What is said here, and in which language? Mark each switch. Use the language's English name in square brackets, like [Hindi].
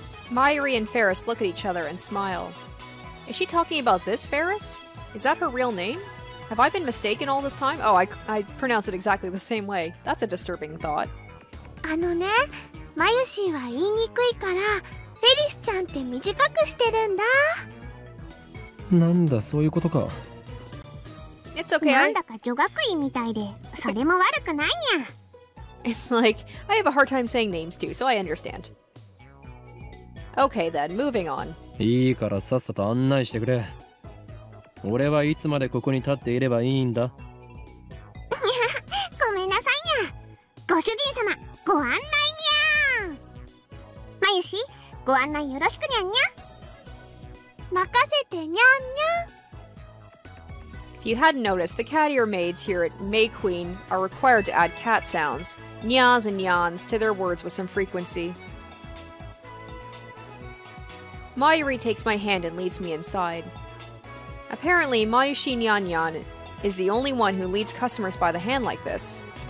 [English] Mayuri and Ferris look at each other and smile. Is she talking about this Ferris? Is that her real name? Have I been mistaken all this time? Oh, I pronounce it exactly the same way. That's a disturbing thought. [Japanese] あのね、マユシーは言いにくいから、フェリスちゃんって短くしてるんだ。なんだそういうことか。 [English] It's okay. [Japanese] なんだか女学院みたいで、それも悪くないにゃ。 [English] It's like, I have a hard time saying names too, so I understand. Okay then, moving on. [Japanese] いいからさっさと案内してくれ。俺はいつまでここに立っていればいいんだ。ごめんなさいにゃ。ご主人様、ご案内にゃ。まゆし、ご案内よろしくにゃんにゃ。任せてにゃんにゃ。 [English] If you hadn't noticed, the cat ear maids here at May Queen are required to add cat sounds, nyas and nyans, to their words with some frequency. Mayuri takes my hand and leads me inside. Apparently, Mayushi Nyan Nyan is the only one who leads customers by the hand like this.